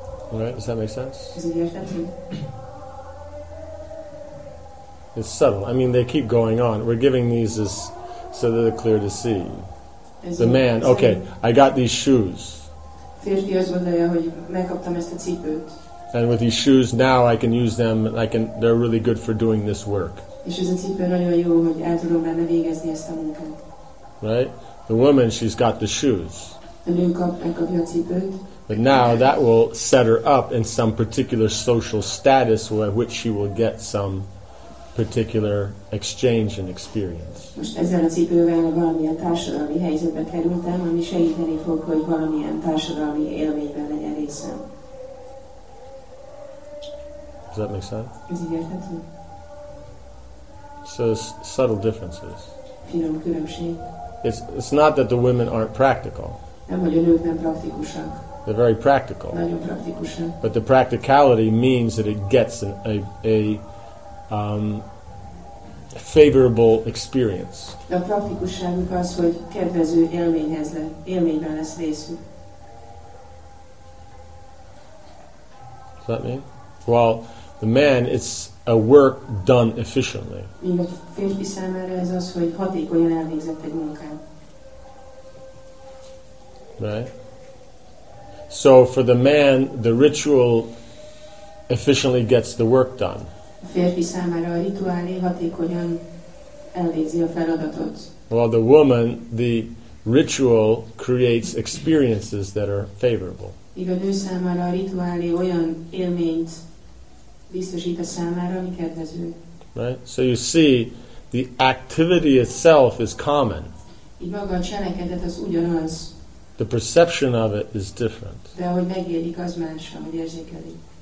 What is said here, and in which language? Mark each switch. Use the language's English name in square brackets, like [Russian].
[English] Right? Does that make sense? It's subtle. I mean, they keep going on. We're giving these as so that they're clear to see. The man, okay, I got these shoes. [Hungarian] Férfi azt gondolja, hogy megkaptam ezt a cipőt. [English] And with these shoes now I can use them, I can, they're really good for doing this work. [Hungarian] És ez a cipő nagyon jó, hogy el tudom benne végezni ezt a munkát. [English] Right? The woman, she's got the shoes. [Hungarian] A nő megkapja a cipőt. [English] But now that will set her up in some particular social status by which she will get some particular exchange and experience. [Hungarian] Most ezzel a cipővel valamilyen társadalmi helyzetbe kerültem, ami segíteni fog, hogy valamilyen társadalmi élményben legyen részem. [English] Does that make sense? [Hungarian] Ez így érthető? [English] So it's subtle differences. [Hungarian] Finom különbség. [English] It's not that the women aren't practical. [Hungarian] Nem, hogy a nők nem praktikusak. [English] They're very practical. [Hungarian] Nagyon praktikusak. [English] But the practicality means that it gets a favorable experience. [Hungarian] A praktikusságuk az, hogy kedvező élményhez élményben lesz részük. [English] Does that mean? Well, the man, it's a work done efficiently. [Hungarian] Míg a férfi számára ez az, hogy hatékonyan elvégzett egy munkát. [English] Right? So for the man, the ritual efficiently gets the work done. [Hungarian] A férfi számára a rituálé hatékonyan elvégzi a feladatot. [English] Well, the woman, the ritual creates experiences that are favorable. [Hungarian] Míg a nő számára a rituálé olyan élményt biztosít a számára, ami kedvező. [English] Right? So you see, the activity itself is common. [Hungarian] Így maga a cselekedet az ugyanaz. [English] The perception of it is different. [Hungarian] De ahogy megélik, az más, ahogy érzékeli.